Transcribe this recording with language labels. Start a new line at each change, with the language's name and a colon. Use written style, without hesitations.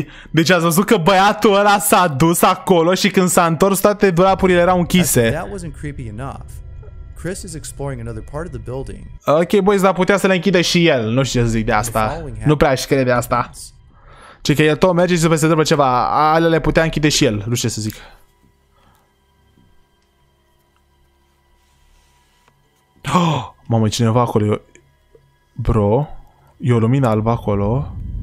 Romanian: Deci ați văzut că băiatul ăla s-a dus acolo și când s-a întors toate dulapurile erau închise.
English: That wasn't creepy enough. Chris is exploring another part of the building.
Romanian: Ok, boys, dar putea să le închide și el. Nu știu ce să zic de asta. Nu prea aș crede asta. Ci că el tot merge și după se întâmplă ceva. Alea le putea închide și el. Nu știu ce să zic. Oh, mamă, cineva acolo. Bro, e o lumină albă acolo.